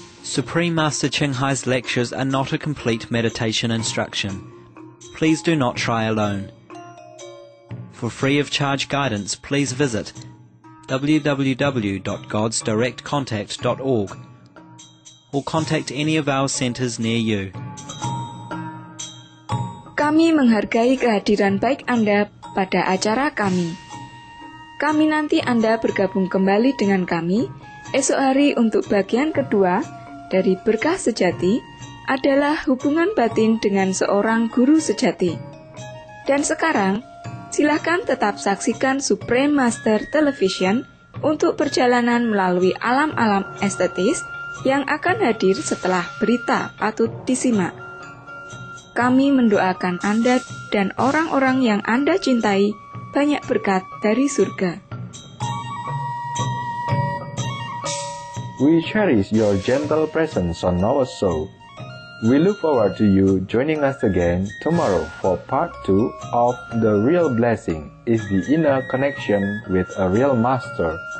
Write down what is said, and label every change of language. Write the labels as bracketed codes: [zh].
[en] Supreme Master Ching Hai's lectures are not a complete meditation instruction. Please do not try alone. For free of charge guidance, please visit www.godsdirectcontact.org or contact any of our centers near you. [id] Kami menghargai kehadiran baik Anda pada acara kami. Kami nanti Anda bergabung kembali dengan kami esok hari untuk bagian kedua. Dari berkah sejati adalah hubungan batin dengan seorang guru sejati. Dan sekarang, silakan tetap saksikan Supreme Master Television untuk perjalanan melalui alam-alam estetis yang akan hadir setelah berita patut disimak. Kami mendoakan Anda dan orang-orang yang Anda cintai banyak berkat dari surga. [en] We cherish your gentle presence on our show. We look forward to you joining us again tomorrow for part 2 of The Real Blessing is the Inner Connection with a Real Master.